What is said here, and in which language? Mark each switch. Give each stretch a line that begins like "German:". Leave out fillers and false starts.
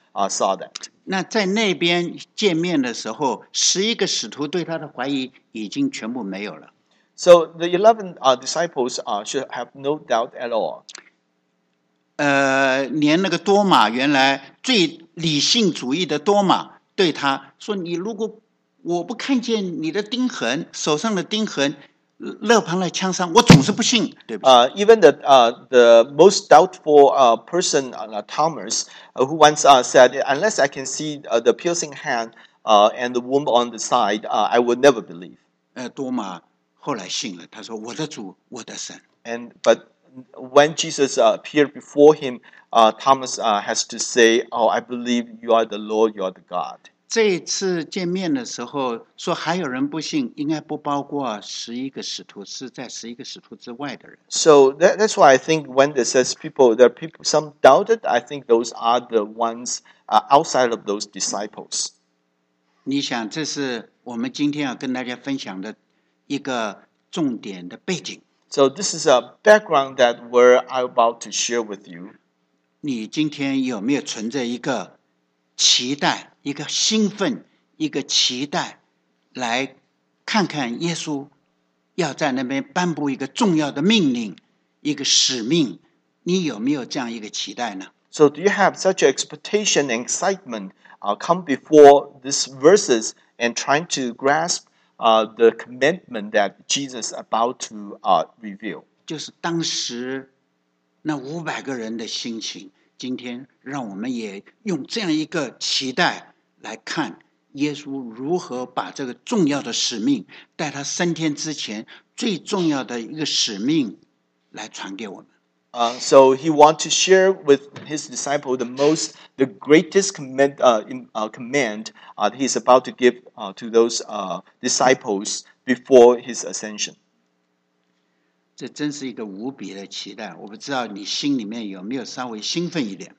English: Saw that.
Chinese: 那在那边见面的时候，十一个使徒对他的怀疑已经全部没有了。
English: So the 11 disciples should have no doubt at all.
Chinese: 连那个多马原来最理性主义的多马对他说：“你如果我不看见你的钉痕，手上的钉痕，肋旁的枪伤，我总是不信。” 对吧？
English: Even the most doubtful person, Thomas, who once said, "Unless I can see the piercing hand and the wound on the side, I would never believe."
Chinese: 多马后来信了，他说我的主，我的神。
English: And but when Jesus appeared before him, Thomas has to say, "Oh, I believe you are the Lord, you are the God."
Chinese: 这一次见面的时候，说还有人不信，应该不包括十一个使徒，是在十一个使徒之外的人。
English: So that's why I think when it says people, there are people some doubted. I think those are the ones outside of those disciples.
Chinese: 你想，这是我们今天要跟大家分享的一个重点的背景。
English: So this is a background that we're about to share with you.
Chinese: 你今天有没有存着一个期待、一个兴奋、一个期待，来看看耶稣要在那边颁布一个重要的命令、一个使命？你有没有这样一个期待呢？
English: So do you have such expectation and excitement come before these verses and trying to grasp the commandment that Jesus is about to reveal.
Chinese: 就是当时那五百个人的心情，今天让我们也用这样一个期待来看耶稣如何把这个重要的使命，带他升天之前最重要的一个使命来传给我们。
English: So he wants to share with his disciple the greatest command he's about to give to those disciples before his ascension.
Chinese: 这真是一个无比的期待，我不知道你心里面有没有稍微兴奋一点。